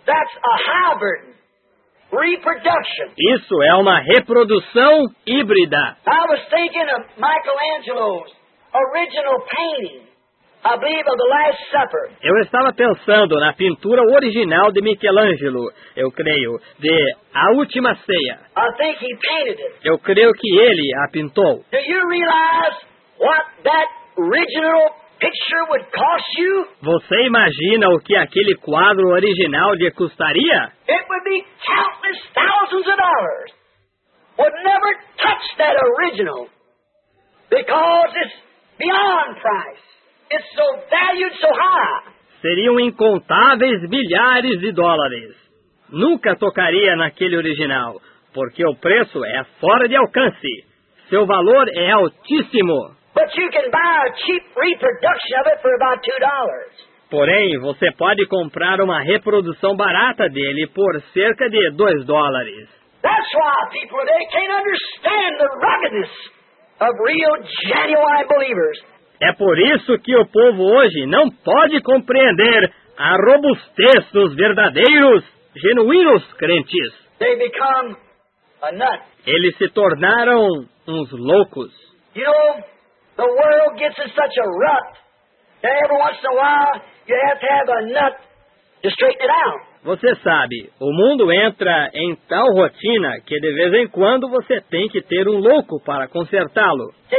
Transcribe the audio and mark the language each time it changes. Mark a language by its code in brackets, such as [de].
[en] That's a hybrid reproduction. [pt] Isso é uma reprodução híbrida. [en] I was thinking of Michelangelo's original painting. I believe of the Last Supper. [pt] Eu estava pensando na pintura original de Michelangelo, eu creio, de A Última Ceia. [en] I think he painted it. [pt] Eu creio que ele a pintou. [en] Do you realize what that original picture would cost you? [pt] Você imagina o que aquele quadro original lhe custaria? [en] It would be countless thousands of dollars. Would never touch that original because it's beyond price. It's so valued so high. [pt] Seriam incontáveis milhares de dólares. Nunca tocaria naquele original, porque o preço é fora de alcance. Seu valor é altíssimo. [en] But you can buy a cheap reproduction of it for about $2. [pt] Porém, você pode comprar uma reprodução barata dele por cerca de $2. [en] That's why people today can't understand the ruggedness of real, genuine believers. [pt] É por isso que o povo hoje não pode compreender a robustez dos verdadeiros, genuínos crentes. [en] They become a nut. [pt] Eles se tornaram uns loucos. [en] You know, the world gets in such a rut that every once in a while you have to have a nut to straighten it out. [pt] Você sabe, o mundo entra em tal rotina que de vez em quando você tem que ter um louco para consertá-lo.